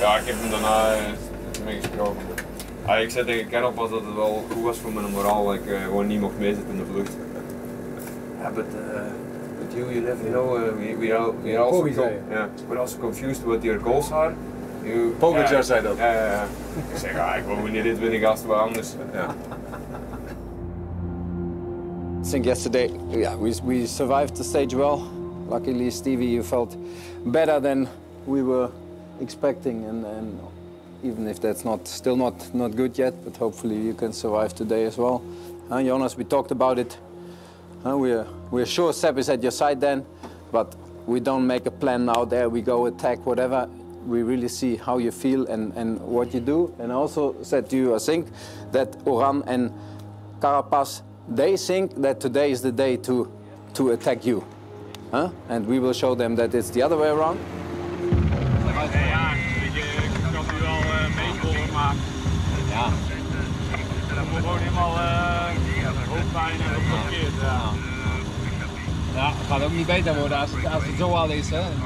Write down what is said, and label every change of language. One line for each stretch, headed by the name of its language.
Dutch: Ja, ik heb hem daarna mee gesproken. Ah, ik zei tegen Kerel pas dat het wel goed was voor mijn moraal dat ik gewoon niet mocht meezitten in de vlucht.
English: Ja, but you never know, we're also confused. We're also confused what your goals are.
Dutch: Pogacar zei dat. Ja, ik zeg, ah, ik wil niet dit winnen, gasten, wat anders. Ja.
English: I think yesterday, yeah, we survived the stage well. Luckily, Stevie, you felt better than we were expecting, and even if that's not good yet, but hopefully you can survive today as well. Jonas, we talked about it. We're sure Seb is at your side then, but we don't make a plan now. There we go, attack, whatever. We really see how you feel and what you do. And I also said to you, I think that Oran and Carapaz, they think that today is the day to attack you, huh? And we will show them that it's the other way around.
Dutch: Hey, yeah, ik kan nu al meevolgen, maar ja, dat moet gewoon helemaal hoofdpijn en geblokkeerd. Ja, het gaat ook niet beter worden als het zo al is, hè?